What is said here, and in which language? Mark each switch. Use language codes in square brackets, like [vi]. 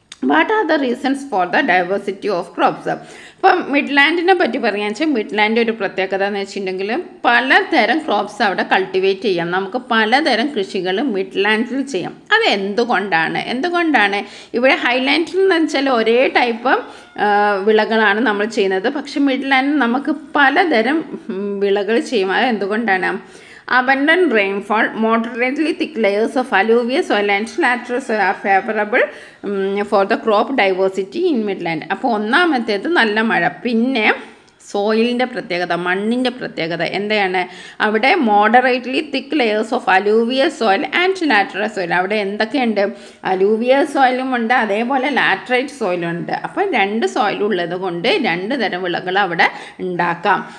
[en] What are the reasons for the diversity of crops? [ml] ഇപ്പം മിഡ്ലാൻഡിനെ പറ്റി പറയുകയെന്ന് വെച്ചാൽ, മിഡ്ലാൻഡ് ഒരു പ്രത്യേകത എന്ന് വെച്ചിട്ടുണ്ടെങ്കിൽ പലതരം ക്രോപ്സ് അവിടെ കൾട്ടിവേറ്റ് ചെയ്യാം. നമുക്ക് പലതരം കൃഷികൾ മിഡ്ലാൻഡിൽ ചെയ്യാം. അത് എന്തുകൊണ്ടാണ്? എന്തുകൊണ്ടാണ് ഇവിടെ ഹൈലാൻഡിൽ എന്ന് വെച്ചാൽ ഒരേ ടൈപ്പ് വിളകളാണ് നമ്മൾ ചെയ്യുന്നത്, പക്ഷേ മിഡ്ലാൻഡിൽ നമുക്ക് പലതരം വിളകൾ ചെയ്യും. അത് എന്തുകൊണ്ടാണ്? [en] Abundant rainfall, moderately thick layers of alluvial soil and lateral are favorable for the crop diversity in midland. [ml] Appo onnamathethu nalla mazha pinne സോയിലിൻ്റെ പ്രത്യേകത, മണ്ണിൻ്റെ പ്രത്യേകത എന്തൊക്കെയാണ്? [en] അവിടെ moderately thick layers of alluvial soil and lateral soil. [ml] അവിടെ എന്തൊക്കെയുണ്ട്? Alluvial സോയിലും ഉണ്ട്, അതേപോലെ laterite സോയിലും ഉണ്ട്. അപ്പോൾ രണ്ട് സോയിലും ഉള്ളത് കൊണ്ട് രണ്ട് തരം വിളകൾ അവിടെ ഉണ്ടാക്കാം.